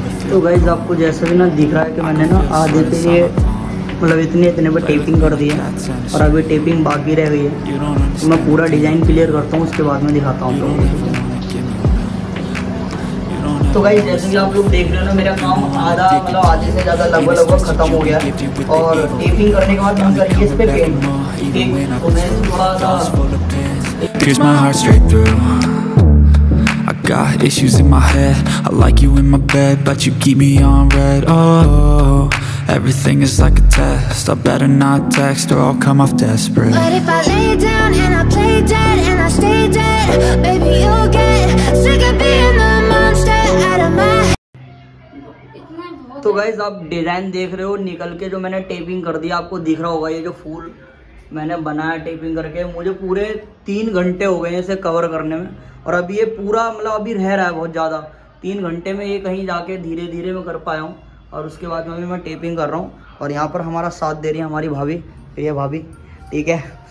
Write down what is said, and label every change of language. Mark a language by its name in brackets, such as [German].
[Hindi] तो गाइस आपको जैसे भी ना दिख रहा है कि मैंने ना आधे पे ये मतलब इतने पर टेपिंग कर दी है और अभी टेपिंग बाकी रह गई है, तो मैं पूरा डिज़ाइन क्लियर करता हूँ उसके बाद में दिखाता हूँ। तो गाइस जैसे कि आप लोग देख रहे हो ना, मेरा काम आधा मतलब आधे से ज़्यादा लगभग ख़त्म हो गया और टेपिंग करने के बाद हम करेंगे इस पर पेंट, ठीक। तो मैं थोड़ा सा [English] Here's my heart straight through. Got issues in my head. I like you in my bed, but you keep me on red. Oh, everything is like a test. I better not text or I'll come off desperate. But if I lay down and I play dead and I stay dead, baby, you'll get sick of being the monster out of my head. So guys, [Hindi] आप design देख रहे हो निकल के, जो मैंने tapping कर दिया आपको दिख रहा होगा, ये जो फूल मैंने बनाया टेपिंग करके, मुझे पूरे 3 घंटे हो गए हैं इसे कवर करने में और अभी ये पूरा मतलब अभी रह रहा है बहुत ज़्यादा। 3 घंटे में ये कहीं जाके धीरे धीरे मैं कर पाया हूँ और उसके बाद में अभी मैं टेपिंग कर रहा हूँ और यहाँ पर हमारा साथ दे रही है हमारी भाभी प्रिया भाभी, ठीक है।